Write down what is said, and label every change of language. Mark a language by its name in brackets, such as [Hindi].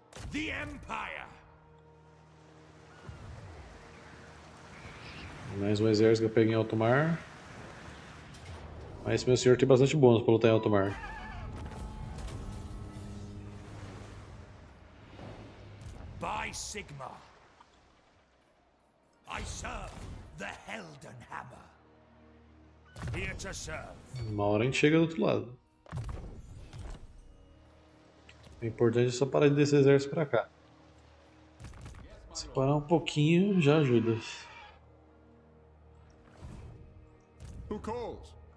[English] The Empire! [Portuguese] Mais um exército que eu peguei em alto mar. Mas meu senhor tem bastante bônus para lutar em alto mar. [English] By Sigma, I serve the Helden Hammer. Here to serve. [Portuguese] Uma hora a gente chega do outro lado. O importante é só parar de descer exército para cá. Se parar um pouquinho já ajuda. [English] Who calls?